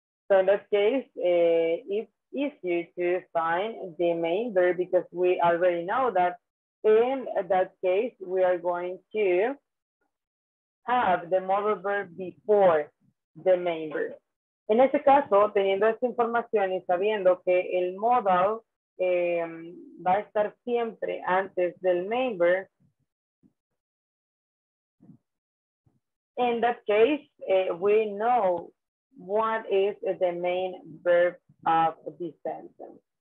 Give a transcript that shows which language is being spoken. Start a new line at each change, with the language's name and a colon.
English: So in that case, it's easier to find the main verb because we already know that in that case, we are going to have the modal verb before the main verb.
Spanish: En este caso, teniendo esta información y sabiendo que el modal va a estar siempre antes del main verb.
English: In that case, we know what is the main verb of this sentence.